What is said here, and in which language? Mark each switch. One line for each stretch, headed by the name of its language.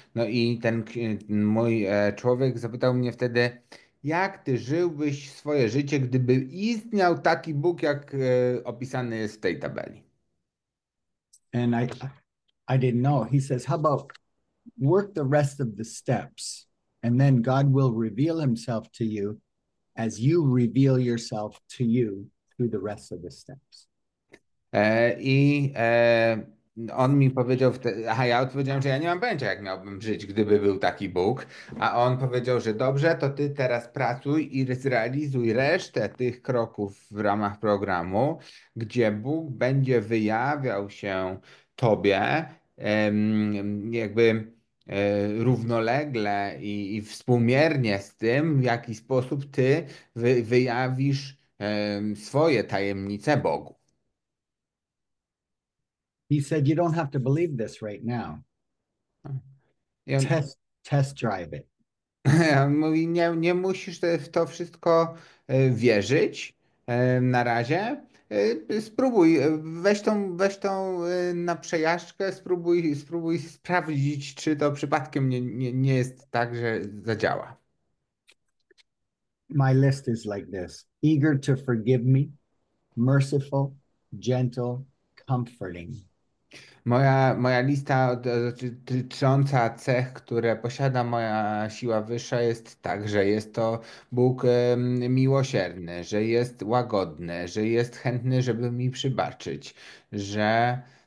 Polish: No i ten mój człowiek zapytał mnie wtedy, jak ty żyłbyś swoje życie, gdyby istniał taki Bóg, jak opisany jest w tej tabeli?
English: And I didn't know. He says, how about work the rest of the steps? And then God will reveal himself to you as you reveal yourself to you through the rest of the steps. I
Polish: On mi powiedział, a ja odpowiedziałem, że ja nie mam pojęcia, jak miałbym żyć, gdyby był taki Bóg. A on powiedział, że dobrze, to ty teraz pracuj i zrealizuj resztę tych kroków w ramach programu, gdzie Bóg będzie wyjawiał się tobie, jakby równolegle i współmiernie z tym, w jaki sposób ty wyjawisz swoje tajemnice Bogu.
English: He said, "You don't have to believe this right now. I Test drive it."
Polish: on mówi, nie musisz w to wszystko wierzyć na razie. Spróbuj, weź tą na przejażdżkę, spróbuj sprawdzić, czy to przypadkiem nie jest tak, że zadziała.
English: My list is like this: eager to forgive me, merciful, gentle, comforting.
Polish: Moja lista dotycząca cech, które posiada moja siła wyższa, jest tak, że jest to Bóg miłosierny, że jest łagodny, że jest chętny, żeby mi przebaczyć, że.